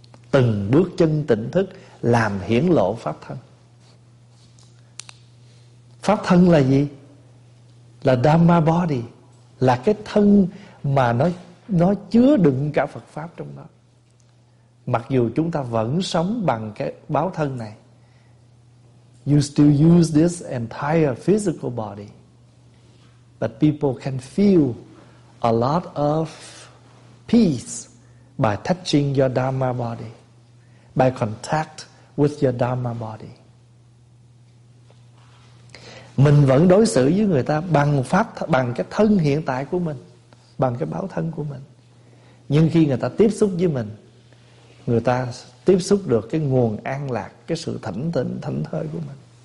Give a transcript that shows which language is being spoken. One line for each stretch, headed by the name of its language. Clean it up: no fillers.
Vietnamese: Từng bước chân tỉnh thức làm hiển lộ pháp thân. Pháp thân là gì? Là Dhamma body, là cái thân mà nó chứa đựng cả Phật pháp trong đó. Mặc dù chúng ta vẫn sống bằng cái báo thân này,
English: you still use this entire physical body, but people can feel a lot of peace by touching your Dhamma body, by contact with your Dhamma body.
Vietnamese: Mình vẫn đối xử với người ta bằng pháp, bằng cái thân hiện tại của mình, bằng cái báo thân của mình. Nhưng khi người ta tiếp xúc với mình, người ta tiếp xúc được cái nguồn an lạc, cái sự thảnh tịnh, thảnh thơi của mình.